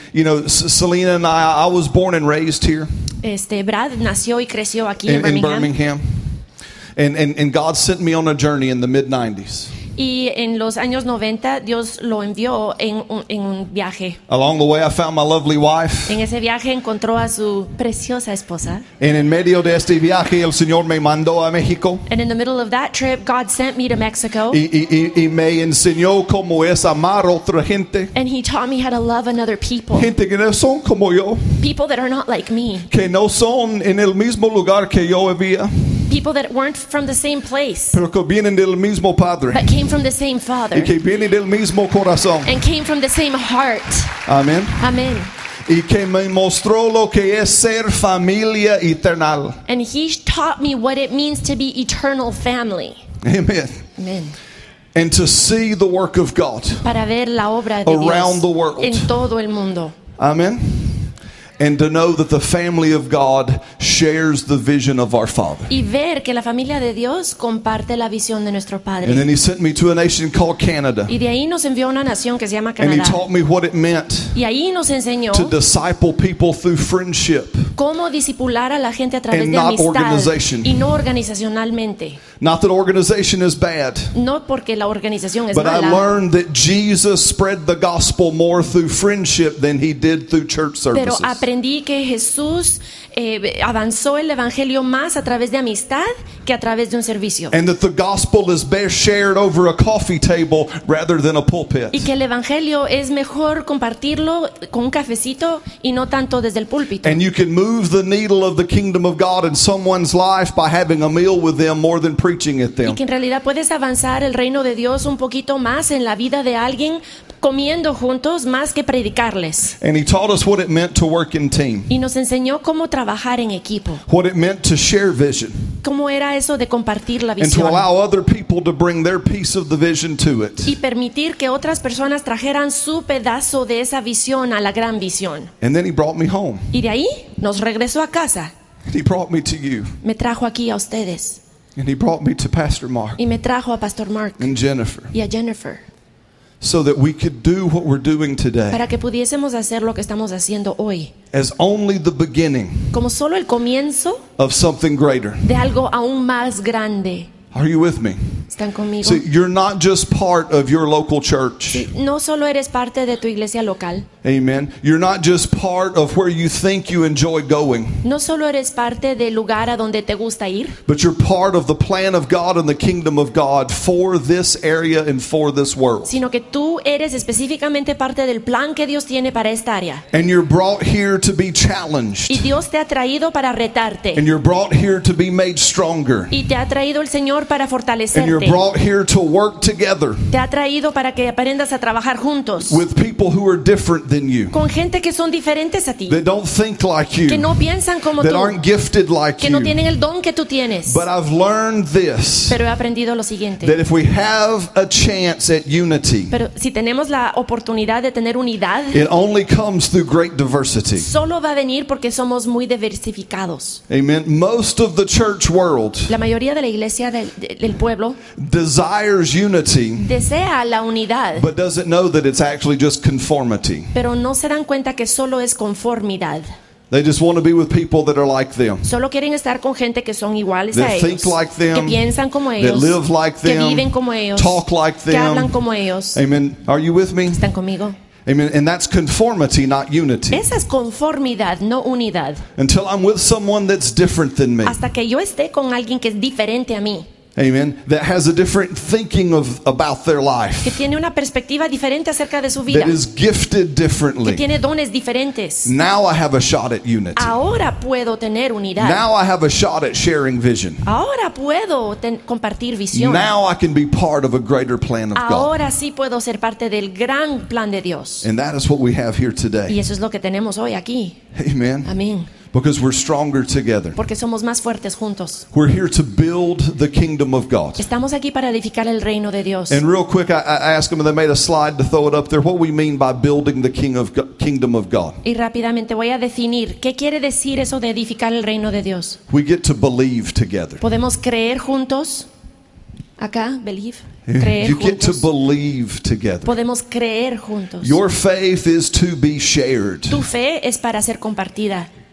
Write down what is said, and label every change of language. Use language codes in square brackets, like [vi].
[en] You know, Selena and I was born and raised here. [es] Brad nació y creció aquí [en] in Birmingham, and God sent me on a journey in the mid 90s. [es] Y en los años 90 Dios lo envió en un viaje. [en] Along the way I found my lovely wife. [es] En ese viaje encontró a su preciosa esposa. And en medio de este viaje el Señor me mandó a México. [en] And in the middle of that trip God sent me to Mexico. [es] Y me enseñó cómo es amar otra gente. [en] And he taught me how to love another people. [es] Gente que no son como yo. [en] People that are not like me. [es] Que no son en el mismo lugar que yo vivía. [en] People that weren't from the same place. [es] Pero que vienen del mismo padre. [en] But came from the same father. [es] Y que vienen del mismo corazón. [en] And came from the same heart. [es] Amen. [en] Amen. [es] Y que me mostró lo que es ser familia eterna. [en] And he taught me what it means to be eternal family. Amen. [es] Amen. [en] And to see the work of God. [es] Para ver la obra de [en] around the world. [es] En todo el mundo. [en] Amen. And to know that the family of God shares the vision of our Father. [es] Y ver que la familia de Dios comparte la visión de nuestro Padre. [en] And then he sent me to a nation called Canada. [es] Y de ahí nos envió una nación que se llama Canadá. [en] And he taught me what it meant. [es] Y ahí nos enseñó [en] to disciple people through friendship. [es] Cómo discipular a la gente a través [en] and [es] de [en] not [es] amistad [en] organization. [es] Y no organizacionalmente. [en] Not that organization is bad. [es] No porque la organización es [en] but [es] mala. [en] But I learned that Jesus spread the gospel more through friendship than he did through church services. [es] Pero aprendí que Jesús avanzó el evangelio más a través de amistad que a través de un servicio. [en] And that the gospel is best shared over a coffee table rather than a pulpit. [es] Y que el evangelio es mejor compartirlo con un cafecito y no tanto desde el púlpito. [en] And you can move the needle of the kingdom of God in someone's life by having a meal with them more than preaching at them. [es] Y que en realidad puedes avanzar el reino de Dios un poquito más en la vida de alguien comiendo juntos más que predicarles. [en] And he taught us what it meant to work in team. [es] Y nos enseñó cómo trabajar en equipo. [en] What it meant to share vision. [es] Cómo era eso de compartir la visión. [en] And to allow other people to bring their piece of the vision to it. [es] Y permitir que otras personas trajeran su pedazo de esa visión a la gran visión. [en] And then he brought me home. [es] Y de ahí nos regresó a casa. [en] And he brought me to you. [es] Me trajo aquí a ustedes. [en] And he brought me to Pastor Mark. [es] Y me trajo a Pastor Mark. [en] And Jennifer. [es] Y a Jennifer. [en] So that we could do what we're doing today. [es] Para que pudiésemos hacer lo que estamos haciendo hoy. [en] As only the beginning. [es] Como solo el comienzo. [en] Of something greater. [es] De algo aún más grande. [en] Are you with me? [es] ¿Están conmigo? [en] So you're not just part of your local church. [es] No solo eres parte de tu iglesia local. [en] Amen. You're not just part of where you think you enjoy going. [es] No solo eres parte del lugar a donde te gusta ir. [en] But you're part of the plan of God and the kingdom of God for this area and for this world. [es] Sino que tú eres específicamente parte del plan que Dios tiene para esta área. [en] And you're brought here to be challenged. [es] Y Dios te ha traído para retarte. [en] And you're brought here to be made stronger. [es] Y te ha traído el Señor para fortalecerte. [en] And you're brought here to work together. [es] Te ha traído para que aprendas a trabajar juntos. [en] With people who are different than you. [es] Con gente que son diferentes a ti. [en] That don't think like you. [es] Que no piensan como [en] that [es] tú. [en] Aren't gifted like [es] que Que no tienen el don que tú tienes. [en] But I've learned this. [es] Pero he aprendido lo siguiente. [en] That if we have a chance at unity. [es] Pero si tenemos la oportunidad de tener unidad. [en] It only comes through great diversity. [es] Solo va a venir porque somos muy diversificados. [en] Amen. Most of the church world. [es] La mayoría de la iglesia de el pueblo [en] desires unity, [es] desea la unidad, [en] but doesn't know that it's actually just conformity. [es] Pero no se dan cuenta que solo es conformidad. [en] They just want to be with people that are like them. [es] Solo quieren estar con gente que son iguales a ellos. [en] That think like them. [es] Que piensan como ellos. [en] That live like them. [es] Que viven como ellos. [en] Talk like them. [es] Que hablan como ellos. [en] Amen. Are you with me? [es] ¿Están conmigo? [en] Amen. And that's conformity, not unity. [es] Esa es conformidad, no unidad. [en] Until I'm with someone that's different than me. [es] Hasta que yo esté con alguien que es diferente a mí. [en] Amen. That has a different thinking of about their life. [es] Que tiene una perspectiva diferente acerca de su vida. [en] That is gifted differently. [es] Que tiene dones diferentes. [en] Now I have a shot at unity. [es] Ahora puedo tener unidad. [en] Now I have a shot at sharing vision. [es] Ahora puedo compartir visión. [en] Now I can be part of a greater plan of [es] ahora [en] God. [es] Ahora sí puedo ser parte del gran plan de Dios. [en] And that is what we have here today. [es] Y eso es lo que tenemos hoy aquí. [en] Amen. Amen. Because we're stronger together. [es] Porque somos más fuertes juntos. [en] We're here to build the kingdom of God. [es] Estamos aquí para edificar el reino de Dios. [en] And real quick, I asked them, and they made a slide to throw it up there, what we mean by building the kingdom of God. [es] Y rápidamente voy a definir, ¿qué quiere decir eso de edificar el reino de Dios? [en] We get to believe together. [es] Podemos creer juntos. Acá, believe. Creer [en] you [es] juntos. [en] Get to believe together. [es] Podemos creer juntos. [en] Your faith is to be shared. [es] Tu fe es para ser compartida.